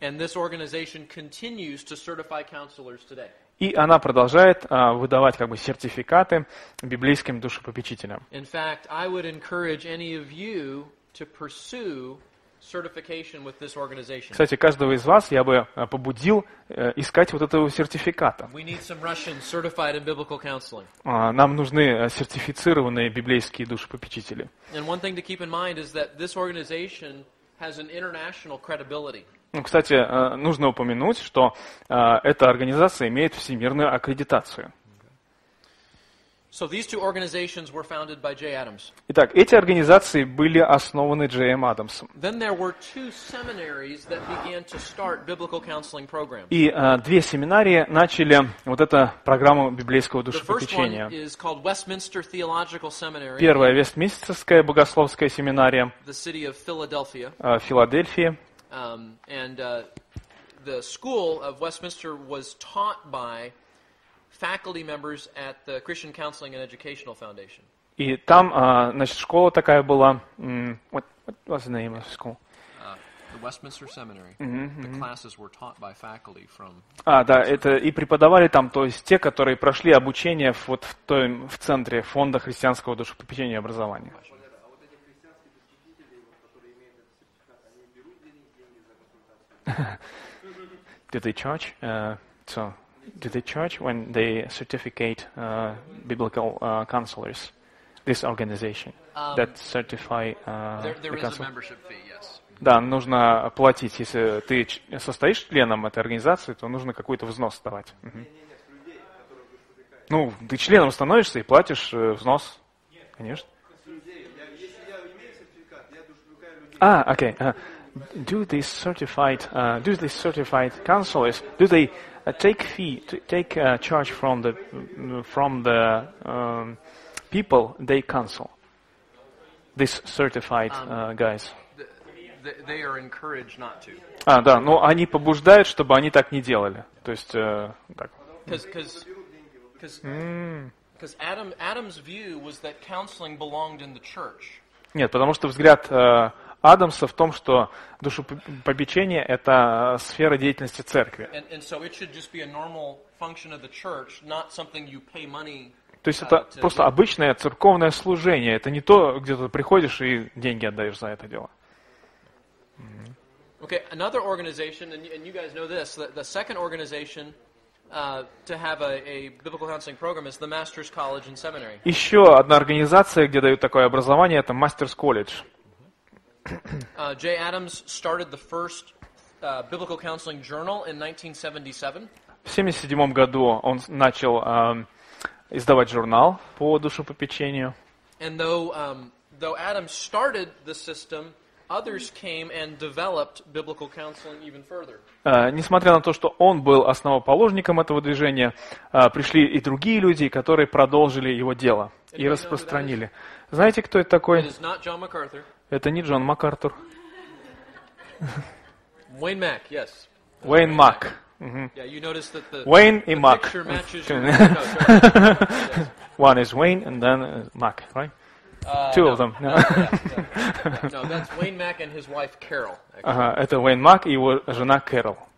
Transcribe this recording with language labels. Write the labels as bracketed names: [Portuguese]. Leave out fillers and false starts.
[English] And this organization continues to certify counselors today. [Russian] И она продолжает выдавать как бы сертификаты библейским душепопечителям. [English] In fact, I would encourage any of you to pursue certification with this organization. [Russian] Кстати, каждого из вас я бы побудил искать вот этого сертификата. [English] We need some Russian certified in biblical counseling. [Russian] Нам нужны сертифицированные библейские душепопечители. [English] And one thing to keep in mind is that this organization has an international credibility. [Russian] Ну, кстати, нужно упомянуть, что эта организация имеет всемирную аккредитацию. [English] So these two organizations were founded by Jay Adams. [Russian] Итак, эти организации были основаны Джеем Адамсом. [English] Then there were two seminaries that began to start biblical counseling programs. [Russian] И две семинарии начали вот эту программу библейского душепопечения. [English] The first one is called Westminster Theological Seminary. [Russian] Первая Вестминстерская богословская семинария. [English] The city of Philadelphia. [Russian] Филадельфия. [English] And the school of Westminster was taught by faculty members at the Christian Counseling and Educational Foundation. [Russian] И там, значит, школа такая была. [English] What was the name of the school? The Westminster Seminary. The classes were taught by faculty from. [Russian] А, да, это и преподавали там, то есть те, которые прошли обучение вот в той в центре фонда христианского душепопечения и образования. [English] Did they charge? So. Do they charge when they certificate biblical counselors, this organization that certify the counselor? There is a membership fee, yes. [Russian] Да, нужно платить. Если ты состоишь членом этой организации, то нужно какой-то взнос давать. Ну, ты членом становишься и платишь взнос, конечно. А, окей. [English] Do these certified counselors, do they take charge from the people they counsel, these certified guys? They are encouraged not to. [Russian] А, да, но они побуждают, чтобы они так не делали. То есть, так. Because Adam's view was that counseling belonged in the church. Нет, потому что взгляд Адамса в том, что душепопечение – это сфера деятельности церкви. То есть это просто обычное церковное служение. Это не то, где ты приходишь и деньги отдаешь за это дело. [English] Okay, another organization, and you guys know this, the second organization to have a biblical counseling program is the Master's College and Seminary. [Russian] Еще одна организация, где дают такое образование, это Master's College. [English] Jay Adams started the first biblical counseling journal in 1977. [Russian] В 77 году он начал издавать журнал по душепопечению. [English] And though Adams started the system, others came and developed biblical counseling even further. [Russian] Несмотря на то, что он был основоположником этого движения, пришли и другие люди, которые продолжили его дело и распространили. Знаете, кто это такой? [English] It is not John MacArthur. [Russian] Это не Джон МакАртур. Уэйн Мак, [English] yes. [Russian] Уэйн Мак. [English] Yeah, you noticed that the [Russian] Уэйн и Мак. [English] Picture matches your coach. One is Wayne and then Mac, right? Two of them. No, that's Wayne Mac and his wife Carol. [Russian] Это Уэйн Мак и его жена Кэрол.